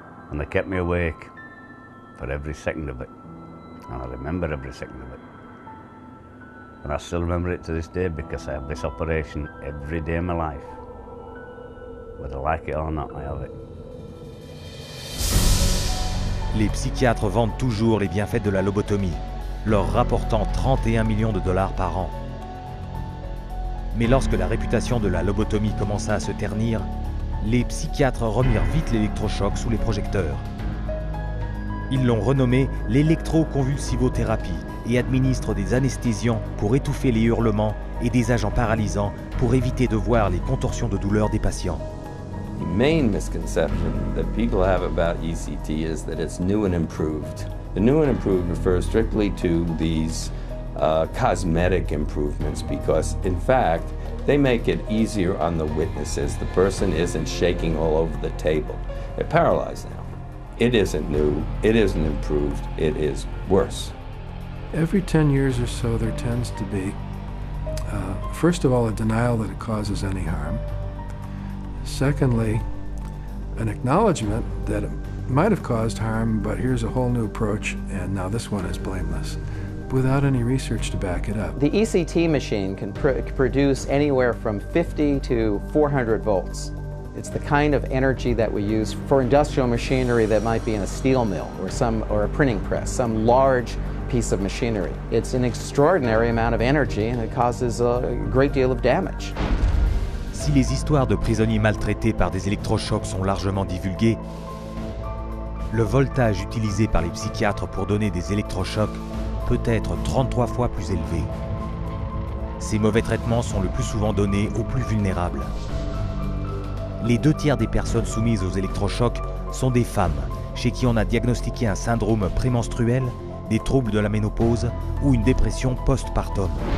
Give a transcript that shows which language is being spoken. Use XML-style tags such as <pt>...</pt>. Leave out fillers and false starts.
<en>And they kept me awake for every second of it. And I remember every second of it. And I still remember it to this day because I have this operation every day of my life. Whether I like it or not, I have it.</en> <fr>Les psychiatres vendent toujours les bienfaits de la lobotomie, leur rapportant 31 millions de dollars par an. Mais lorsque la réputation de la lobotomie commença à se ternir, les psychiatres remirent vite l'électrochoc sous les projecteurs. Ils l'ont renommé l'électroconvulsivothérapie et administrent des anesthésiants pour étouffer les hurlements et des agents paralysants pour éviter de voir les contorsions de douleur des patients.</fr> <en>The main misconception that people have about ECT is that it's new and improved. The new and improved refers strictly to these cosmetic improvements because, in fact, they make it easier on the witnesses. The person isn't shaking all over the table. They're paralyzed now. It isn't new, it isn't improved, it is worse. Every 10 years or so, there tends to be, first of all, a denial that it causes any harm. Secondly, an acknowledgement that it might have caused harm, but here's a whole new approach, and now this one is blameless, without any research to back it up. The ECT machine can produce anywhere from 50 to 400 volts. It's the kind of energy that we use for industrial machinery that might be in a steel mill or a printing press, some large piece of machinery. It's an extraordinary amount of energy and it causes a great deal of damage.</en> <fr>Si les histoires de prisonniers maltraités par des électrochocs sont largement divulguées, le voltage utilisé par les psychiatres pour donner des électrochocs peut être 33 fois plus élevé. Ces mauvais traitements sont le plus souvent donnés aux plus vulnérables. Les deux tiers des personnes soumises aux électrochocs sont des femmes, chez qui on a diagnostiqué un syndrome prémenstruel, des troubles de la ménopause ou une dépression postpartum.</fr>